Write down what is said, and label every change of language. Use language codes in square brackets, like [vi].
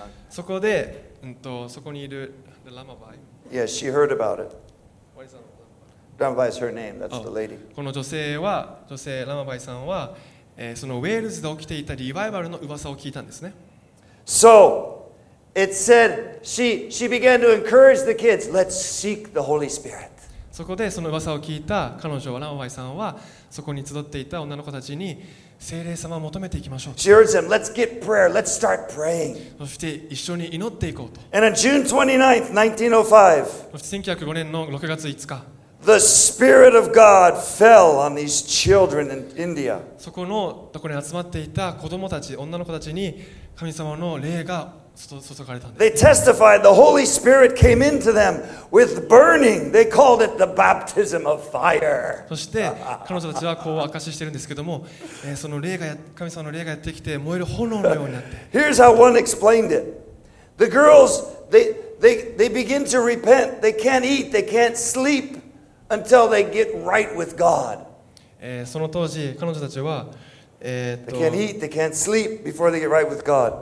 [ja] そこで、そこにいる Ramabai. [en] Yes, she heard about it. Ramabai is her name. That's the lady. [ja] この女性は、女性 Ramabai さんは、そのウェールズで起きていたリバイバルの噂を聞いたんですね。 [en] So, it said she began to encourage the kids. Let's seek the Holy Spirit. [ja] そこでその噂を聞いた彼女は、Ramabai さんは、そこに集っていた女の子たちに、聖霊様を求めていきましょう。 [en] She urged them, let's get prayer, let's start praying. [ja] そして一緒に祈っていこうと。 [en] And on June 29th, 1905, [ja] そして1905 年の6月5日、 [en] The Spirit of God fell on these children in India. [ja] そこのところに集まっていた子供たち、女の子たちに神様の霊が注がれたんです。 [en] They testified the Holy Spirit came into them with burning. They called it the baptism of fire. [ja] そして彼女たちはこう証ししているんですけども、その霊が神様の霊がやってきて燃える炎のようになって。 [en] Here's how one explained it. The girls they begin to repent. They can't eat. They can't sleep until they get right with God. [ja] その当時彼女たちは [en] They can't eat, they can't sleep before they get right with God.